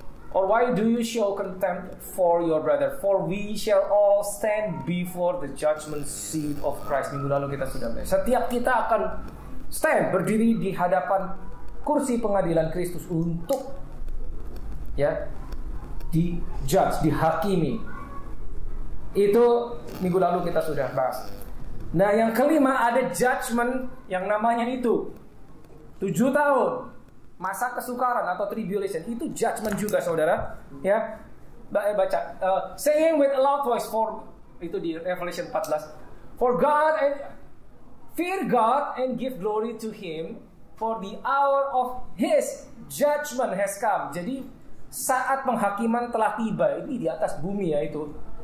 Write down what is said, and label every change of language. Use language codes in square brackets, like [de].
[en] Or why do you show contempt for your brother? For we shall all stand before the judgment seat of Christ. [id] Minggu lalu kita sudah bahas. Setiap kita akan stand, berdiri di hadapan kursi pengadilan Kristus untuk ya di judge, dihakimi. Itu minggu lalu kita sudah bahas. Nah, yang kelima ada judgment yang namanya itu 7 tahun masa kesukaran atau tribulation. Itu judgment juga, saudara. Ya. Baca saying with a loud voice, for itu di Revelation 14. [en] For God and fear God and give glory to him, for the hour of his judgment has come. [id] Jadi saat penghakiman telah tiba, ini di atas bumi ya itu.